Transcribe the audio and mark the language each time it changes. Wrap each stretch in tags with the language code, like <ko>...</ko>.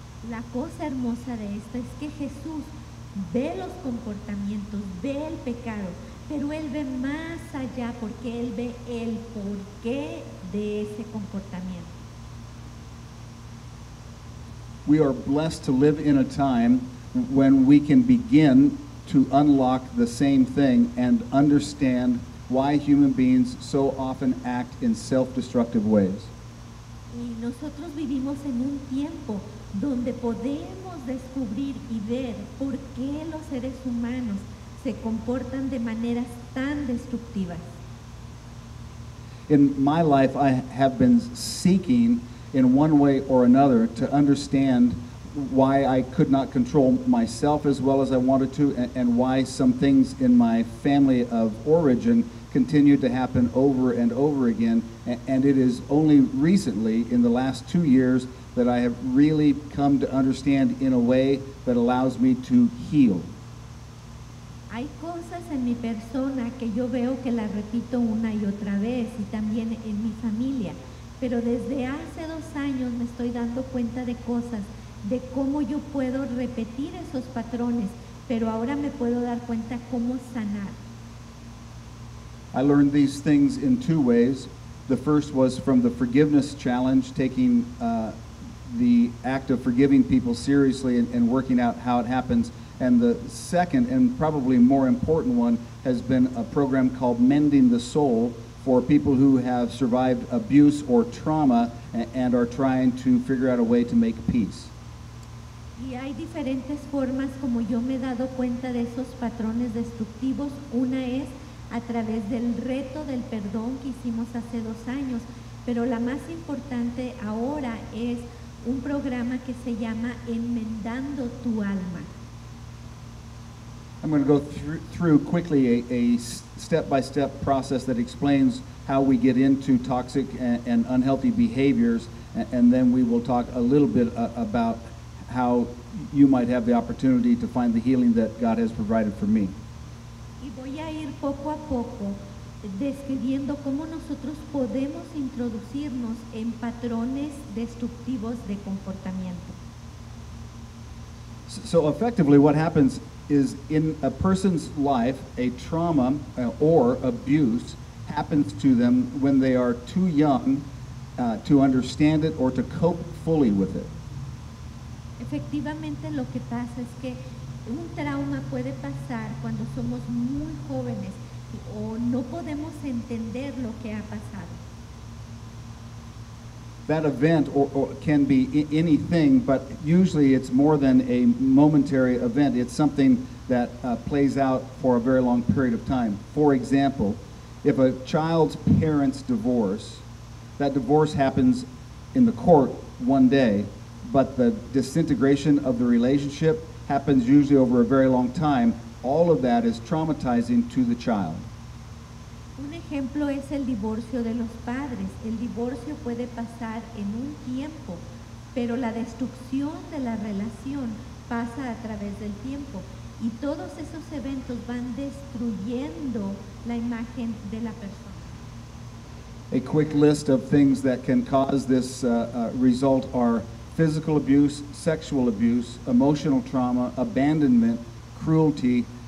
<es>La cosa hermosa de esto es que Jesús ve los comportamientos, ve el pecado, pero él ve más allá porque él ve el porqué de ese comportamiento.</es> <en>We are blessed to live in a time when we can begin to unlock the same thing and understand why human beings so often act in self-destructive ways.</en> <es>Y nosotros vivimos en un tiempo donde podemos descubrir y ver por qué los seres humanos se comportan de maneras tan destructivas.</es> <en>In my life, I have been seeking in one way or another to understand why I could not control myself as well as I wanted to, and why some things in my family of origin continued to happen over and over again. And it is only recently, in the last 2 years, that I have really come to understand in a way that allows me to heal.</en> <es>Hay cosas en mi persona que yo veo que las repito una y otra vez, y también en mi familia. Pero desde hace 2 años me estoy dando cuenta de cosas, de cómo yo puedo repetir esos patrones, pero ahora me puedo dar cuenta cómo sanar.</es> <en>I learned these things in 2 ways. The first was from the forgiveness challenge, taking the act of forgiving people seriously and working out how it happens. And the second and probably more important one has been a program called Mending the Soul for people who have survived abuse or trauma and are trying to figure out a way to make peace.</en> <es>Y hay diferentes formas como yo me he dado cuenta de esos patrones destructivos. Una es a través del reto del perdón que hicimos hace 2 años, pero la más importante ahora es un programa que se llama Enmendando tu Alma.</es> <en>I'm going to go through quickly a step-by-step process that explains how we get into toxic and unhealthy behaviors, and then we will talk a little bit about how you might have the opportunity to find the healing that God has provided for me.</en> <es>Y voy a ir poco a poco describiendo cómo nosotros podemos introducirnos en patrones destructivos de comportamiento.</es> <en>So effectively what happens is in a person's life, a trauma or abuse happens to them when they are too young to understand it or to cope fully with it.</en> <es>Efectivamente, lo que pasa es que un trauma puede pasar cuando somos muy jóvenes o no podemos entender lo que ha pasado.</es> <en>That event or can be anything, but usually it's more than a momentary event. It's something that plays out for a very long period of time. For example, if a child's parents divorce, that divorce happens in the court one day, but the disintegration of the relationship happens usually over a very long time. All of that is traumatizing to the child.</en> <es>Un ejemplo es el divorcio de los padres. El divorcio puede pasar en un tiempo, pero la destrucción de la relación pasa a través del tiempo. Y todos esos eventos van destruyendo la imagen de la persona.</es> <en>A quick list of things that can cause this result are physical abuse, sexual abuse, emotional trauma, abandonment, cruelty,</en>